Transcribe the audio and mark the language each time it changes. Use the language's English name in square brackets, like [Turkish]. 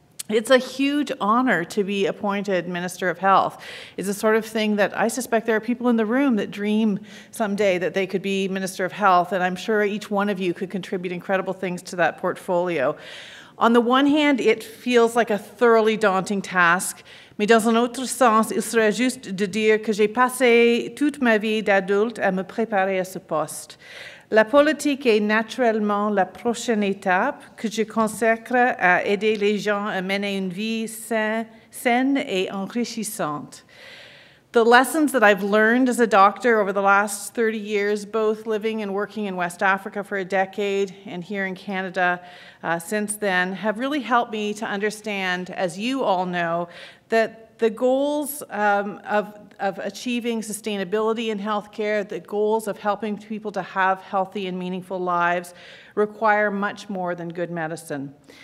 [English] It's a huge honor to be appointed Minister of Health. It's the sort of thing that I suspect there are people in the room that dream someday that they could be Minister of Health, and I'm sure each one of you could contribute incredible things to that portfolio. On the one hand, it feels like a thoroughly daunting task. [French] Mais dans un autre sens, il serait juste de dire que j'ai passé toute ma vie d'adulte à me préparer à ce poste. La politique est naturellement la prochaine étape que je consacre à aider les gens à mener une vie saine et enrichissante. [English] The lessons that I've learned as a doctor over the last 30 years, both living and working in West Africa for a decade and here in Canada since then, have really helped me to understand, as you all know, that the goals of achieving sustainability in healthcare, the goals of helping people to have healthy and meaningful lives, require much more than good medicine.